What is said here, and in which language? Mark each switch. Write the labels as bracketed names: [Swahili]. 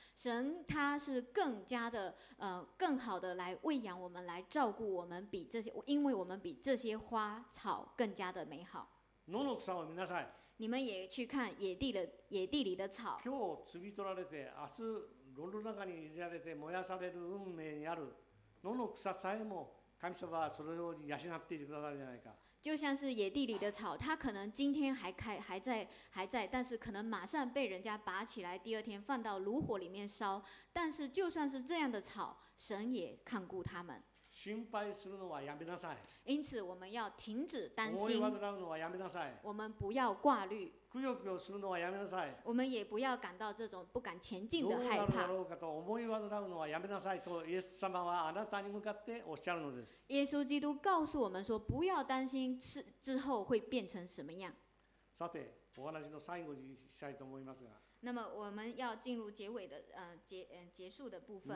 [Chinese] 神他是更加的更好的来喂养我们，来照顾我们，比这些，因为我们比这些花草更加的美好。 [Japanese] 野の草を見なさい。 [Chinese] 你们也去看野地里的草。 [Japanese] 今日摘み取られて明日炉の中に入れられて燃やされる運命にある野の草さえも神様はそのように養っていてくださるじゃないか。 [Chinese] 就像是野地里的草，它可能今天还在，但是可能马上被人家拔起来，第二天放到炉火里面烧。但是就算是这样的草，神也看顾他们。 [Japanese] 心配するのはやめなさい。 [Chinese] 因此我们要停止担心。 [Japanese] 思い煩うのはやめなさい。 [Chinese] 我们不要挂虑。 [Japanese] くよくよするのはやめなさい。 [Chinese] 我们也不要感到这种不敢前进的害怕。 [Japanese] どうなるだろうかと思い煩うのはやめなさいと、イエス様はあなたに向かっておっしゃるのです。 [Chinese] 耶稣基督告诉我们说，不要担心之后会变成什么样。 [Japanese] さて、お話の最後にしたいと思いますが。 [Chinese] 那么我们要进入结尾的结束的部分。